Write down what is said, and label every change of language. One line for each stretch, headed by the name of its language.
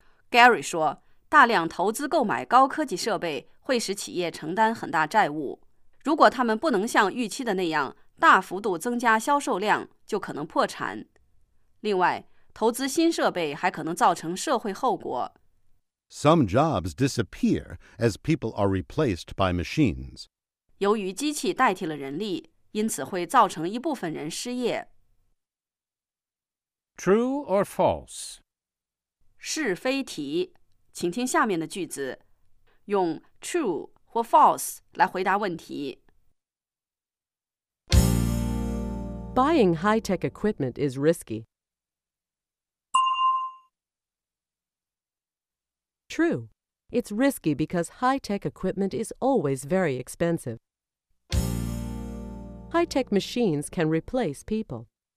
Chinese: Gary 说，大量投资购买高科技设备会使企业承担很大债务。如果他们不能像预期的那样大幅度增加销售量，就可能破产。另外，投资新设备还可能造成社会后果。
English: Some jobs disappear as people are replaced by machines.
Chinese: 由于机器代替了人力，因此会造成一部分人失业。
English: True or false?
Chinese: 是非题，请听下面的句子，用 true 或 false 来回答问题。
English: Buying high-tech equipment is risky. True. It's risky because high-tech equipment is always very expensive. High-tech machines can replace people.